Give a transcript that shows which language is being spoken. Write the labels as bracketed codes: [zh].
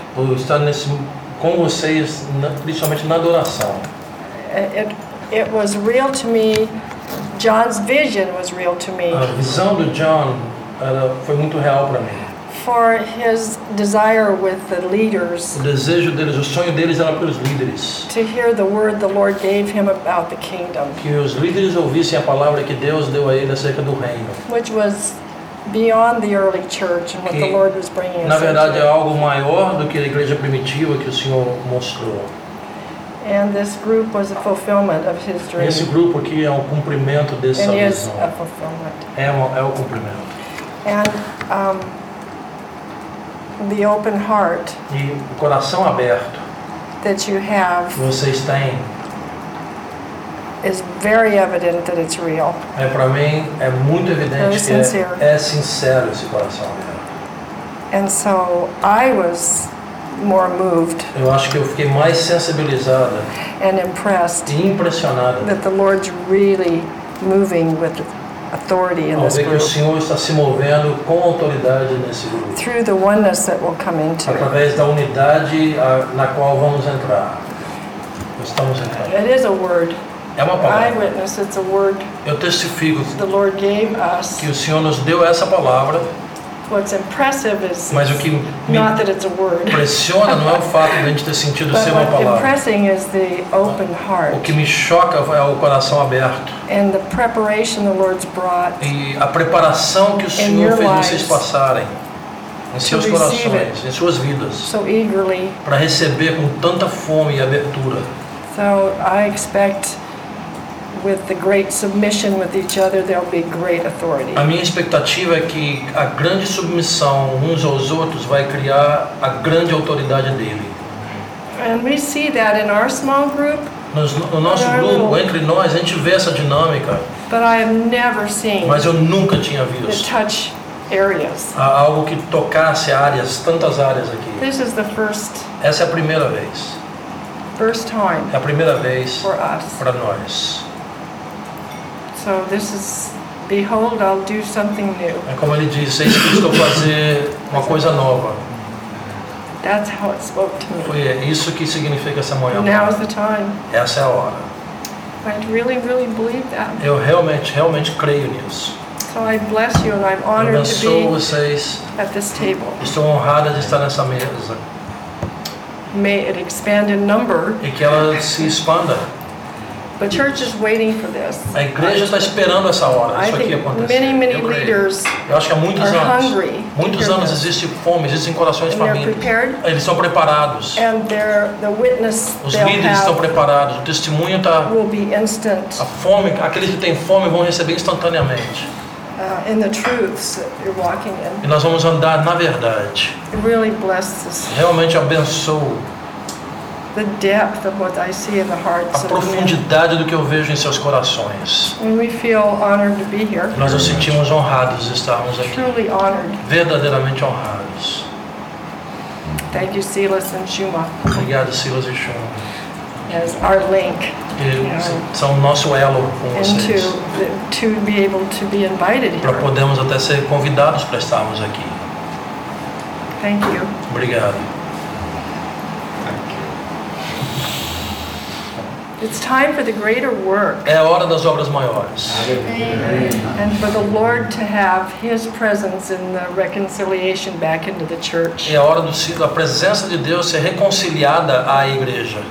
[pt] Por estar nesse com vocês, principalmente na adoração. [en] It was real to me. John's vision was real to me. [pt] A visão do John foi muito real para mim. [en] For his desire with the leaders. [pt] O desejo deles, o sonho deles era pelos líderes. [en] To hear the word the Lord gave him about the kingdom. [pt] Que os líderes ouvissem a palavra que Deus deu a ele acerca do reino. [en] Which was beyond the early church and what the Lord was bringing. [pt] Na verdade é algo maior do que a igreja primitiva que o Senhor mostrou. [en] And this group was a fulfillment of his dream. [pt] Esse grupo aqui é um cumprimento dessa [en] and [pt] visão. [en] A fulfillment. [pt] É o cumprimento. [en] And the open heart [pt] e o coração aberto [en] that you have [pt] que vocês têm [en] is very evident that it's real. [pt] É para mim é muito evidente [en] very [pt] que [en] sincere. [pt] É sincero esse coração aberto. [en] And so I was more moved. [pt] Eu acho que eu fiquei mais sensibilizada [en] and impressed [pt] e impressionada [en] that the Lord's really moving with authority in this group. [pt] O Senhor está se movendo com autoridade nesse grupo. [en] Through the oneness that we'll come into. [pt] Através da unidade na qual vamos entrar. Estamos entrando. [en] It is a word. [pt] É uma palavra. [en] I witness it's a word. [pt] Eu testifico. [en] The Lord gave us. [pt] Que o Senhor nos deu essa palavra. [en] What's impressive is [pt] mas o que [en] not that it's a word. [pt] Impressiona não é o fato de a gente ter sentido ser uma palavra. [en] Impressing is the open heart. [pt] O que me choca é o coração aberto. [en] And the preparation the Lord's brought. [pt] E a preparação que o Senhor fez vocês passarem em seus corações, em suas vidas. [en] So eagerly. [pt] Para receber com tanta fome e abertura. [en] So I expect with the great submission with each other there'll be great authority. [pt] A minha expectativa é que a grande submissão uns aos outros vai criar a grande autoridade dele. [en] And we see that in our small group. [pt] No nosso grupo, entre nós, a gente vê essa dinâmica. [en] But I have never seen. [pt] Mas eu nunca tinha visto. [en] The touch areas. [pt] Algo que tocasse áreas, tantas áreas aqui. [en] This is the first. [pt] Essa é a primeira vez. [en] First time. [pt] É a primeira vez. [en] For us. [pt] Para nós. [en] So this is, behold, I'll do something new. [pt] É como ele disse, eis que estou fazer uma coisa nova. [en] That's how it spoke to me. [pt] Foi isso que significa essa manhã. [en] Now is the time. [pt] Essa é a hora. [en] I really, really believe that. [pt] Eu realmente, realmente creio nisso. [en] So I bless you and I'm honored [pt] eu abençoo [en] to be [pt] vocês. [en] At this table. [pt] Estou honrada de estar nessa mesa. [en] May it expand in number. [pt] E que ela se expanda. [en] The church is waiting for this. [pt] A igreja está esperando essa hora. Isso aqui acontece. [en] Many, many leaders. [pt] Eu acho que há muitos anos. [en] Hungry. [pt] Muitos anos existe fome, existem corações famintos. Eles são preparados. [en] And they're the witness. [pt] Os líderes estão preparados. O testemunho está. [en] Will be instant. [pt] A fome, aqueles que têm fome vão receber instantaneamente. [en] In the truths that you're walking in. [pt] E nós vamos andar na verdade. [en] It really blesses. [pt] Realmente abençoa. [en] The depth of what I see in the hearts. [pt] A profundidade do que eu vejo em seus corações. [en] And we feel honored to be here. [pt] Nós nos sentimos honrados de estarmos aqui. [en] Truly honored. [pt] Verdadeiramente honrados. [en] Thank you, Silas and Shuma. [pt] Obrigado, Silas e Shuma. [en] As our link. [pt] São nosso elo com vocês. [en] To be able to be invited here. [pt] Para podermos até ser convidados para estarmos aqui. [en] Thank you. [pt] Obrigado. [en] It's time for the greater work. [pt] É a hora das obras maiores. [en] And for the Lord to have His presence in the reconciliation back into the church. [pt] É a hora da presença de Deus ser reconciliada à igreja.